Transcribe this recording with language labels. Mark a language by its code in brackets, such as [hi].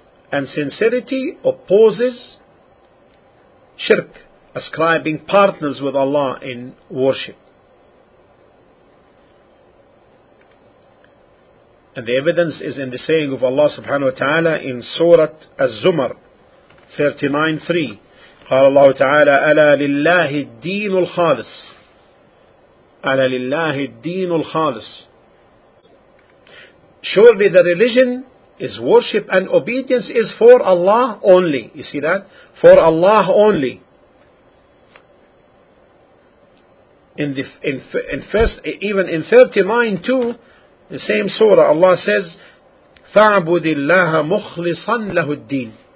[en] And sincerity opposes shirk, ascribing partners with Allah in worship. And the evidence is in the saying of Allah subhanahu wa ta'ala in Surah Az-Zumar 39:3. [ar] قال الله تعالى أَلَا لِلَّهِ الدِّينُ الْخَالِصِ. أَلَا لِلَّهِ الدِّينُ الْخَالِصِ. [en] Surely the religion is worship and obedience is for Allah only. You see that? For Allah only. In 39:2, the same surah, Allah says, [ar] فَعْبُدِ اللَّهَ مُخْلِصًا لَهُ الدِّينِ.